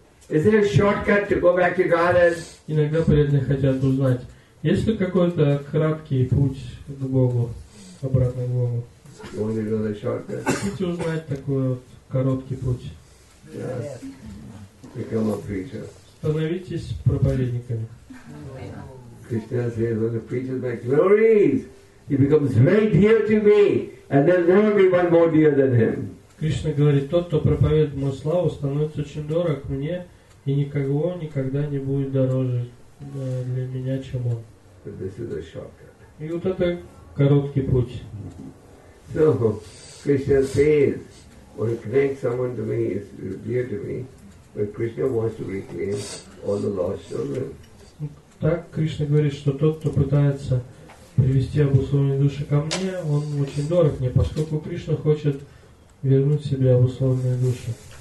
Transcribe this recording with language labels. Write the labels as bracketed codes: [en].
[en] Is there a shortcut to go back to Godhead? [ru] Иногда преданные хотят узнать, есть ли какой-то краткий путь к Богу, обратно к Богу. Хотите узнать такой вот короткий путь? [en] Yes. Become a preacher. [ru] Становитесь проповедниками. [en] Krishna says, when the preacher my glories, he becomes very dear to me, and there'll never be one more dear than him. [ru] Кришна говорит, тот, кто проповедует мою славу, становится очень дорог мне, и никого никогда не будет дороже для меня, чем он. [en] But this is a shortcut. [ru] И вот это короткий путь. [en] So, Krishna says, when he connects someone to me, is dear to me, but Krishna wants to reclaim all the lost children. [ru] Так Кришна говорит, что тот, кто пытается привести обусловленные души ко мне, он очень дорог мне, поскольку Кришна хочет вернуть себе обусловленные души.